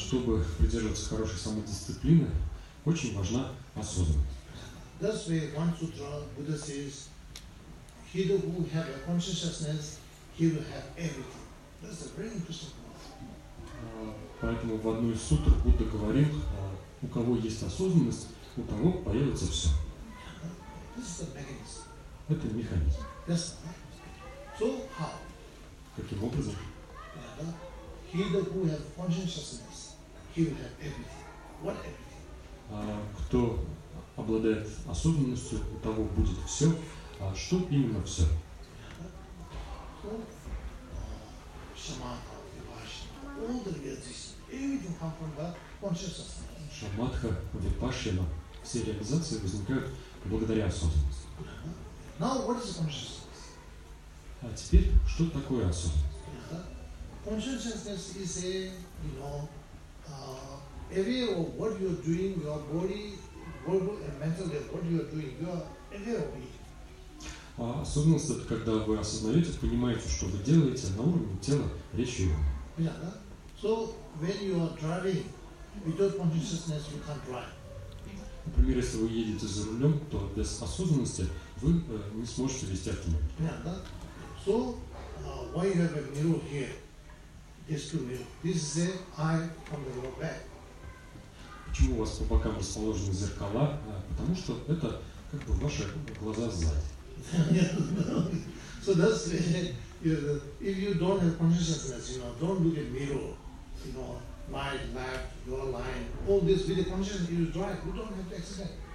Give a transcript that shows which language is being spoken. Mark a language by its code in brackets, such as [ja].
[ru] Чтобы придерживаться хорошей самодисциплины, очень важна осознанность. [en] That's why one sutra, Buddha says, he who have a consciousness, he will have everything. That's a very interesting point. [ru] Поэтому в одной из сутр Будда говорит, у кого есть осознанность, у того появится все. [en] This is the mechanism. [ru] Это механизм. [en] Yes. So how? [ru] Каким образом? [en] He that who has consciousness, he will have everything. What everything? [ru] Кто обладает осознанностью, у того будет все. Что именно все? [en] So, shamatha, vipassana, all the realizations, everything comes from that consciousness. [ru] Shamatha, vipassana, все реализации возникают благодаря осознанности. [en] Now what is consciousness? [ru] А теперь что такое осознанность? [en] Consciousness is a, you know, aware of what you are doing, your body, verbal and mental, what you are doing, you are aware of it. [ru] Осознанность это когда вы осознаете, понимаете, что вы делаете на уровне тела, речи и ума. [en] Yeah, [ru] да? [en] So when you are driving, without consciousness you can't drive. [ru] Например, если вы едете за рулем, то без осознанности вы не сможете вести автомобиль. [en] Yeah, [ru] да? [en] So, why you have a mirror here? This is the mirror. This is the eye from the lower back. [ru] Почему у вас по бокам расположены зеркала? Потому что это как бы ваши глаза сзади. [en] So that's if you don't have consciousness, you know, don't look at mirror, you know. Right, left, your line, all this with the consciousness, you drive, you don't have to accident.